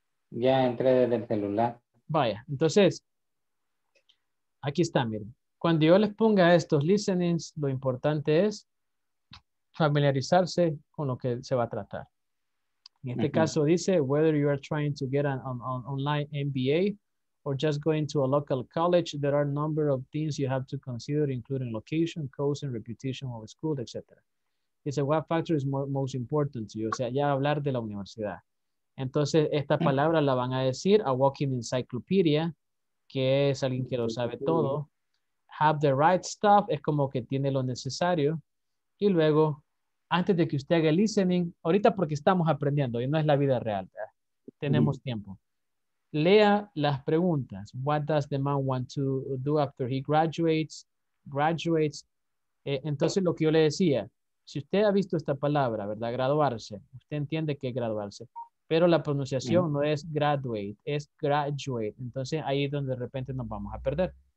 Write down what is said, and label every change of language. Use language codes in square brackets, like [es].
[es] Ya entré desde el celular. Vaya, entonces, aquí está, miren. Cuando yo les ponga estos listenings, lo importante es familiarizarse con lo que se va a tratar. En este caso dice, [en] whether you are trying to get an online MBA or just going to a local college, there are a number of things you have to consider, including location, cost, and reputation of a school, etc. [es] Dice, [en] what factor is most important to you? [es] O sea, ya hablar de la universidad. Entonces, esta palabra la van a decir, [en] a walking encyclopedia, [es] que es alguien que lo sabe todo. [en] Have the right stuff, [es] es como que tiene lo necesario. Y luego, antes de que usted haga el listening, ahorita porque estamos aprendiendo y no es la vida real, ¿verdad? Tenemos tiempo. Lea las preguntas. [en] What does the man want to do after he graduates? [es] Entonces, lo que yo le decía, si usted ha visto esta palabra, ¿verdad? Graduarse. Usted entiende que es graduarse. Pero la pronunciación no es graduate, es graduate. Entonces, ahí es donde de repente nos vamos a perder.